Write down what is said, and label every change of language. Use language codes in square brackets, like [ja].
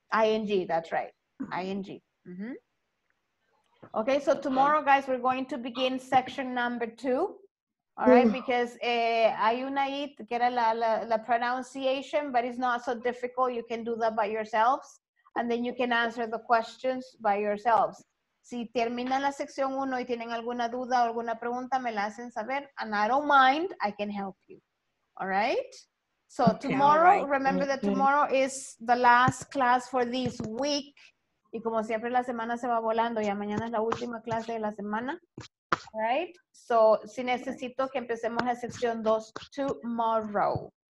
[en] ING, that's right. ING. Mm-hmm. Okay, so tomorrow, guys, we're going to begin section number two. All right? Because [es] hay una ahí que era la [en] pronunciation, but it's not so difficult. You can do that by yourselves. And then you can answer the questions by yourselves. [es] Si terminan la sección 1 y tienen alguna duda o alguna pregunta, me la hacen saber. [en] And I don't mind, I can help you. All right? So okay, tomorrow, right. Remember that tomorrow is the last class for this week. [es] Y como siempre, la semana se va volando. Ya mañana es la última clase de la semana. [en] All right? [es] So si necesito que empecemos la sección 2 [en] tomorrow.